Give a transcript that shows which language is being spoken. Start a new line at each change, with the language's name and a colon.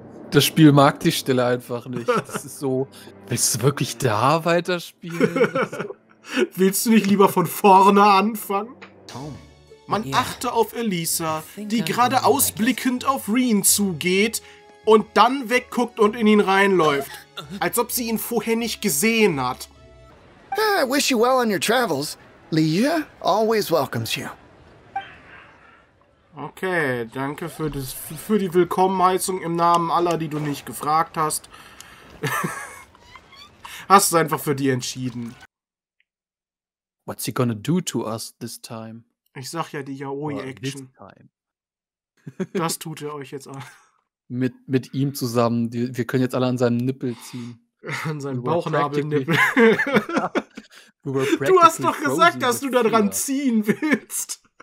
German: Das Spiel mag die Stelle einfach nicht. Das ist so, willst du wirklich da weiterspielen? Willst du nicht lieber von vorne anfangen? Tom. Man achte auf Elisa, die gerade ausblickend auf Rean zugeht und dann wegguckt und in ihn reinläuft, als ob sie ihn vorher nicht gesehen hat.
English: I wish you well on your travels. Leah always welcomes you.
German: Okay, danke für die Willkommenheißung im Namen aller, die du nicht gefragt hast. Hast es einfach für die entschieden.
English: What's he gonna do to us this time?
German: Ich sag ja, die Yaoi-Action. Das tut er euch jetzt an. Mit ihm zusammen. Wir können jetzt alle an seinem Nippel ziehen. An seinem Bauchnabelnippel. Du hast doch gesagt, dass du da dran ziehen willst.